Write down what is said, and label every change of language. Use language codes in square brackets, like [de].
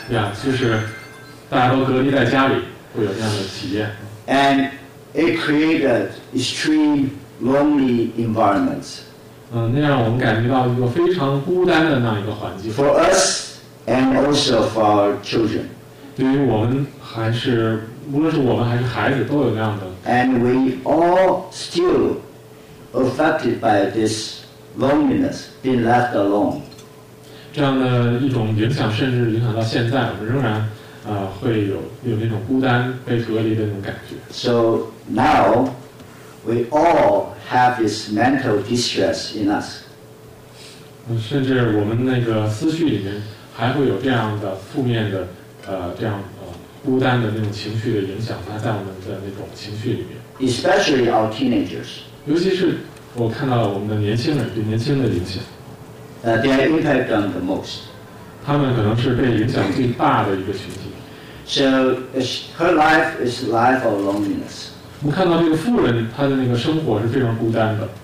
[zh] yeah, 就是大家都隔离在家里会有这样的体验 [en] and it created extreme lonely environments [zh] 那样我们感觉到一个非常孤单的那一个环境 [en] for us and also for our children [zh] 对于我们还是无论是我们还是孩子，都有那样的。 [en] And we all still affected by this loneliness, being left alone. [zh] 这样的一种影响，甚至影响到现在，我们仍然会有那种孤单、被隔离的那种感觉。 [en] So now we all have this mental distress in us. [zh] 甚至我们那个思绪里面还会有这样的负面的这样。孤单的那种情绪的影响，它在我们的那种情绪里面。 [en] Especially our teenagers. [zh] 尤其是我看到我们的年轻人对年轻的影响。 [en] They are impacted on the most. [zh] 他们可能是被影响最大的一个群体。 [en] So her life is life of loneliness. [zh] 我们看到这个妇人，她的那个生活是非常孤单的。